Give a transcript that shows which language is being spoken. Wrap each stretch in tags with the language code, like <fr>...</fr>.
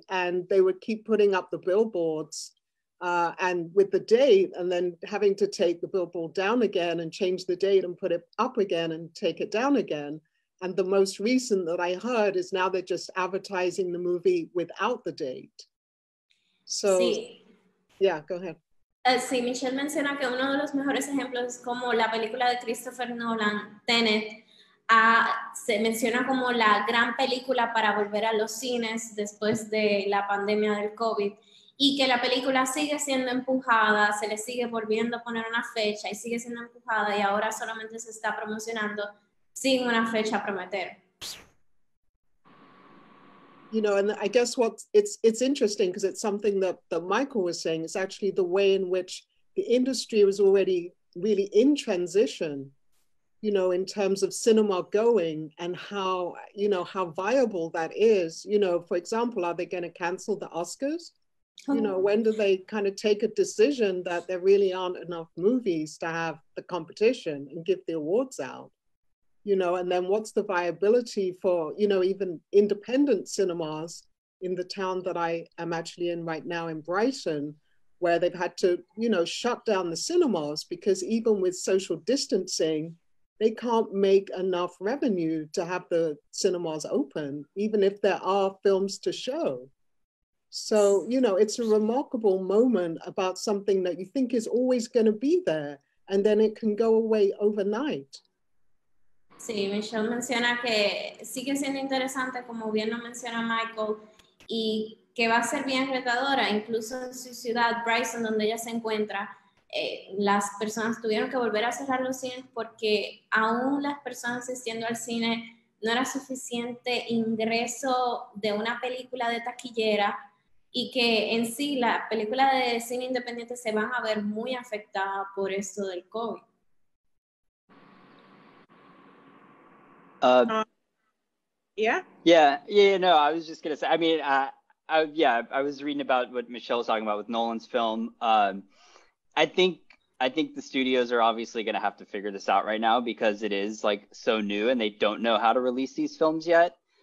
<en>And they would keep putting up the billboards and with the date, and then having to take the billboard down again and change the date and put it up again and take it down again. And the most recent that I heard is now they're just advertising the movie without the date. So,</en> <es>sí.</es> <en>Yeah, go ahead.</en> <es>Sí, Michelle menciona que uno de los mejores ejemplos es como la película de Christopher Nolan, Tenet, se menciona como la gran película para volver a los cines después de la pandemia del COVID, y que la película sigue siendo empujada, se le sigue volviendo a poner una fecha y sigue siendo empujada, y ahora solamente se está promocionando sin una fecha a prometer.</es> <en>You know, and I guess what's, it's interesting because it's something that Michael was saying, it's actually the way in which the industry was already really in transition, you know, in terms of cinema going and how, you know, how viable that is. You know, for example, are they going to cancel the Oscars? Oh. You know, when do they kind of take a decision that there really aren't enough movies to have the competition and give the awards out? You know, and then what's the viability for, you know, even independent cinemas in the town that I am actually in right now in Brighton, where they've had to, you know, shut down the cinemas because even with social distancing, they can't make enough revenue to have the cinemas open, even if there are films to show. So, you know, it's a remarkable moment about something that you think is always going to be there, and then it can go away overnight.</en> <es>Sí, Michelle menciona que sigue siendo interesante, como bien lo menciona Michael, y que va a ser bien retadora, incluso en su ciudad, Bryson, donde ella se encuentra, las personas tuvieron que volver a cerrar los cines porque aún las personas asistiendo al cine no era suficiente ingreso de una película de taquillera, y que en sí las películas de cine independiente se van a ver muy afectadas por esto del COVID.</es> <en>No, I was just gonna say, I was reading about what Michelle was talking about with Nolan's film. I think the studios are obviously gonna have to figure this out right now because it is like so new and they don't know how to release these films yet.</en>